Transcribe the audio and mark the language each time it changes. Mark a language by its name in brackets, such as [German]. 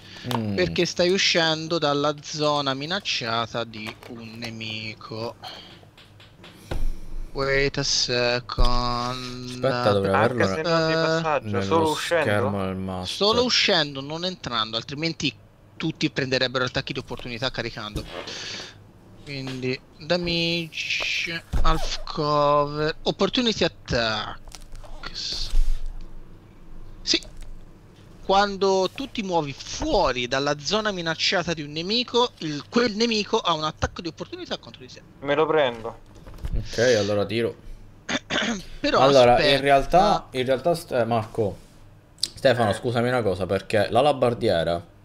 [Italian] Perché stai uscendo dalla zona minacciata di un nemico. [English] Wait a second. [Italian] Aspetta, dovrei averlo solo uscendo, non entrando. Altrimenti tutti prenderebbero attacchi di opportunità caricando. Quindi damage, half cover, opportunity attacks. Sì. Quando tu ti muovi fuori dalla zona minacciata di un nemico, quel nemico ha un attacco di opportunità contro di sé. Me lo prendo. Ok, allora tiro. Però allora, aspetta. in realtà Marco, Stefano, scusami una cosa, perché l'alabardiera